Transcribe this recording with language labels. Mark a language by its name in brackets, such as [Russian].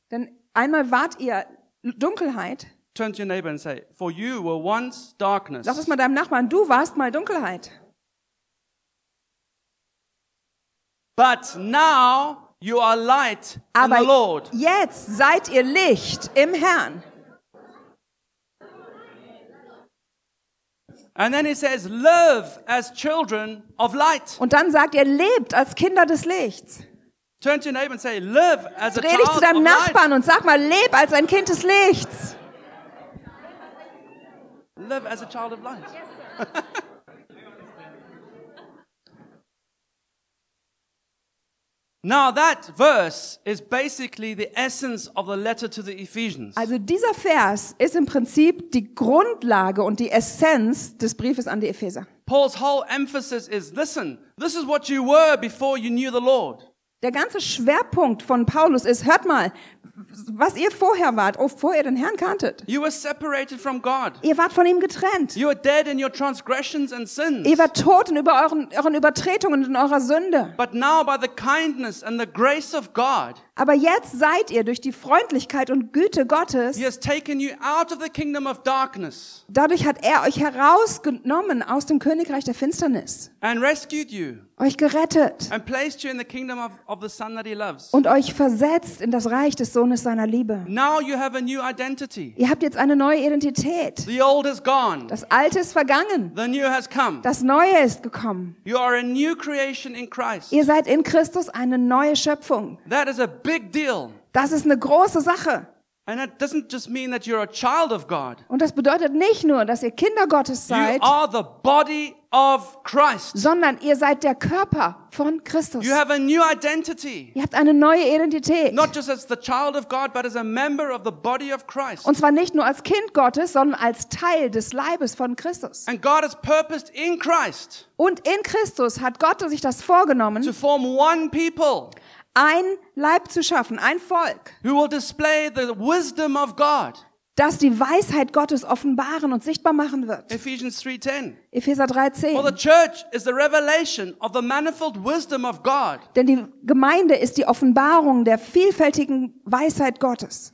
[German] Denn einmal wart ihr Dunkelheit. [English] Turn to your neighbor and say, for you were once darkness. [German] Lass es mal deinem Nachbarn, du warst mal Dunkelheit. [English] But now you are light in the Lord. [German] Jetzt seid ihr Licht im Herrn. [English] And then he says, live as children of light. [German] Und dann sagt er, lebt als Kinder des Lichts. [English] Turn to your neighbor and say, live as a child of light. [German] Dreh dich zu deinem Nachbarn und sag mal, leb als ein Kind des Lichts. [English] Live as a child of light. Now that verse is basically the essence of the letter to the Ephesians. [German] Also dieser Vers ist im Prinzip die Grundlage und die Essenz des Briefes an die Epheser. [English] Paul's whole emphasis is, listen, this is what you were before you knew the Lord. [German] Der ganze Schwerpunkt von Paulus ist, hört mal, was ihr vorher wart, bevor ihr den Herrn kanntet. [English] You were separated from God. [German] Ihr wart von ihm getrennt. [English] You were dead in your transgressions and sins. [German] Ihr wart tot in über euren Übertretungen und in eurer Sünde. [English] But now by the kindness and the grace of God. [German] Aber jetzt seid ihr durch die Freundlichkeit und Güte Gottes. [English] He has taken you out of the kingdom of darkness. [German] Dadurch hat er euch herausgenommen aus dem Königreich der Finsternis. [English] And rescued you. [German] Euch gerettet. [English] And placed you in the kingdom of the Son that he loves. [German] Und euch versetzt in das Reich des Sohnes seiner Liebe. [English] Now you have a new identity. [German] Ihr habt jetzt eine neue Identität. [English] The old is gone. [German] Das Alte ist vergangen. [English] The new has come. [German] Das Neue ist gekommen. [English] You are a new creation in Christ. [German] Ihr seid in Christus eine neue Schöpfung. [English] That is a big deal. [German] Das ist eine große Sache. [English] And it doesn't just mean that you're a child of God. [German] Und das bedeutet nicht nur, dass ihr Kinder Gottes seid. [English] You are the body of Christ. [German] Sondern ihr seid der Körper von Christus. [English] You have a new identity. [German] Ihr habt eine neue Identität. [English] Not just as the child of God, but as a member of the body of Christ. [German] Und zwar nicht nur als Kind Gottes, sondern als Teil des Leibes von Christus. [English] And God has purposed in Christ. [German] Und in Christus hat Gott sich das vorgenommen. [English] To form one people. [German] Ein Leib zu schaffen, ein Volk, [English] who will display the wisdom of God. [German] Das die Weisheit Gottes offenbaren und sichtbar machen wird. Epheser 3:10. Denn die Gemeinde ist die Offenbarung der vielfältigen Weisheit Gottes.